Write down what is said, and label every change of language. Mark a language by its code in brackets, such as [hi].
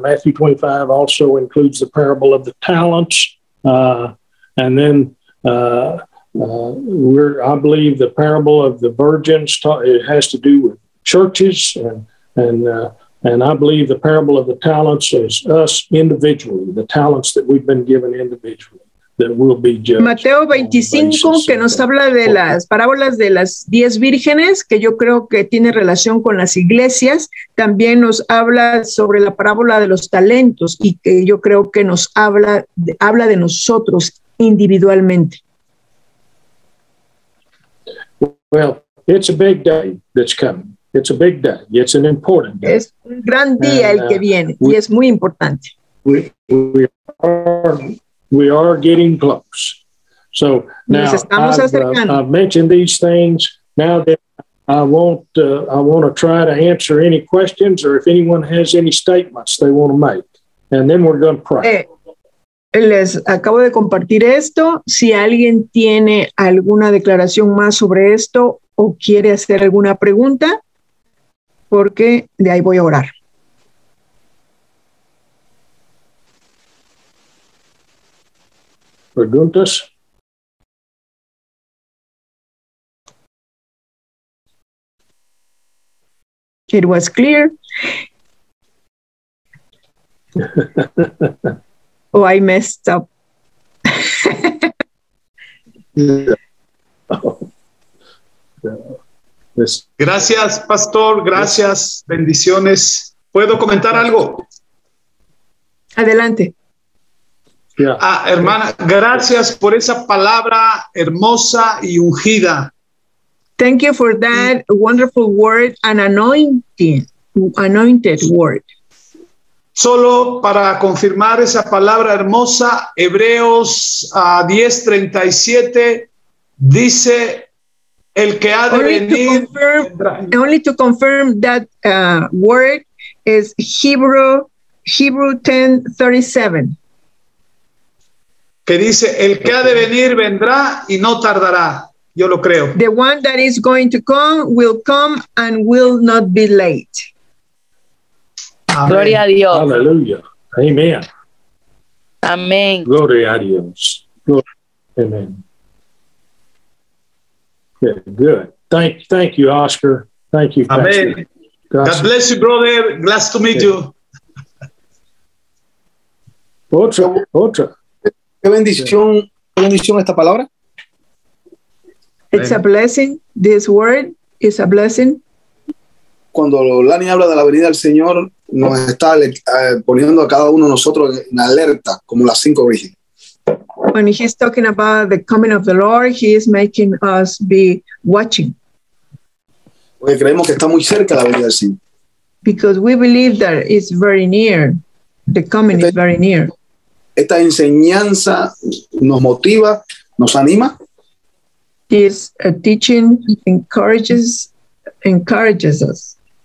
[en] Matthew 25 also includes the parable of the talents, and then I believe the parable of the virgins it has to do with churches, and I believe the parable of the talents is us individually, the talents that we've been given individually. [es] Mateo 25, que nos habla de las parábolas de las 10 vírgenes, que yo creo que tiene relación con las iglesias, también nos habla sobre la parábola de los talentos y que yo creo que nos habla de nosotros individualmente. [en] Well, it's a big day that's coming. It's a big day. It's an important day. [es] Es un gran día el que viene y es muy importante. [en] We are getting close. So now I've mentioned these things. Now that I want to try to answer any questions or if anyone has any statements they want to make. And then we're going to pray. [es] Les acabo de compartir esto. Si alguien tiene alguna declaración más sobre esto o quiere hacer alguna pregunta, porque de ahí voy a orar. ¿Preguntas? [en] It was clear. Oh, I messed up. [es] Gracias, pastor. Gracias. Bendiciones. ¿Puedo comentar algo? Adelante. [en] Yeah. [es] Ah, hermana, gracias por esa palabra hermosa y ungida. [en] Thank you for that wonderful word and anointed word. [es] Solo para confirmar esa palabra hermosa, Hebreos 10:37 dice el que ha de venir. [en] Only to confirm that word, is Hebrew 10:37. [es] Que dice, el que ha de venir vendrá y no tardará. Yo lo creo. [en] The one that is going to come and will not be late. [es] Amén. Gloria a Dios. Aleluya. Amén. Amén. Gloria a Dios. Amén. [en] Good. Thank you, Oscar. Thank you, Pastor. Amén. God bless you, brother. Glad to meet you. [es] Otra. Qué bendición esta palabra. [en] It's a blessing. This word is a blessing. [es] Cuando Lani habla de la venida del Señor, nos está poniendo a cada uno de nosotros en alerta, como las cinco vírgenes. [en] When he's talking about the coming of the Lord, he is making us be watching. [es] Porque creemos que está muy cerca la venida del Señor. [en] Because we believe that it's very near. The coming is very near. [es] Esta enseñanza nos motiva, nos anima. [en] This teaching encourages us.